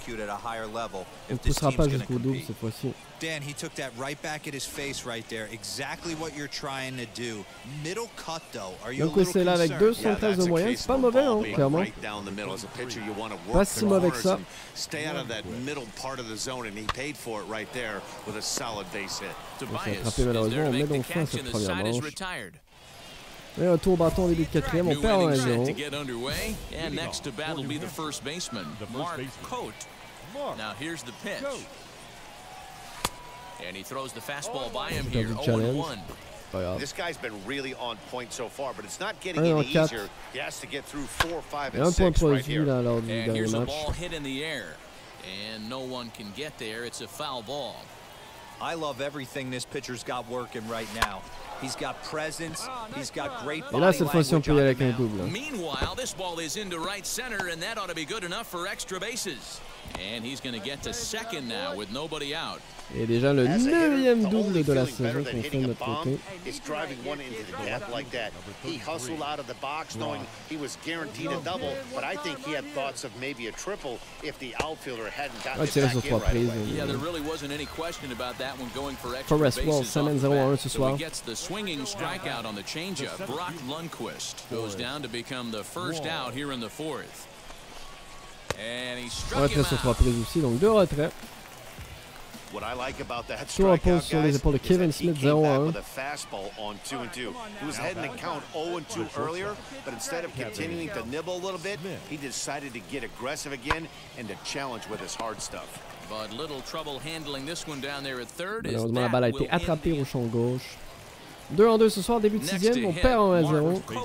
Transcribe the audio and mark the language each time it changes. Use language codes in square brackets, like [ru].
[fr] On ne poussera pas jusqu'au double cette fois-ci. [en] Dan, he took that right back at his face right there. Exactly what you're trying to do. Middle cut though. Are you a little concerned? Yeah, that's a case of ball being right down the middle. As a pitcher, you want to work the corners and stay out of that middle part of the zone. And he paid for it right there with a solid base hit. Tobias, is there to make the catch and the side is retired. [fr] Et un tour bâton au début de quatrième, on perd 1-0. [en] And next to bat will be the first baseman, Mark Cote. Now here's the pitch. And he throws the fastball by him here, 0-1. This guy's been really on point so far, but it's not getting any easier. He has to get through 4, 5, and 6 right here. And here's a ball hit in the air. and no one can get there. It's a foul ball. I love everything this pitcher's got working right now. He's got presence. He's got great body language on the mound. Meanwhile, this ball is into right center, and that ought to be good enough for extra bases. And he's going to get to second now with nobody out. [fr] Et déjà le 9e double de la saison qu'on fait notre côté. [en] He's driving one into the gap like that. He hustled out of the box knowing he was guaranteed a double, but I think he had thoughts of maybe a triple if the outfielder hadn't gotten back in right away. Yeah, there really wasn't any question about that one going for extra bases. Forrest Wall, 7-0-1 [fr] ce soir. [en] The swinging strikeout on the changeup. Brock Lundquist goes down to become the first out here in the fourth. And he struck him out. [fr] Retrait aussi, donc deux retraits. [en] What I like about that strikeout, guys, is that he came back with a fastball on 2-2. He was heading to count 0-2 earlier, but instead of continuing to nibble a little bit, he decided to get aggressive again and to challenge with his hard stuff. But little trouble handling this one down there at third. [fr] Malheureusement, la balle a été attrapée au champ gauche. 2 en 2 ce soir, début de 6ème, on perd en 1-0.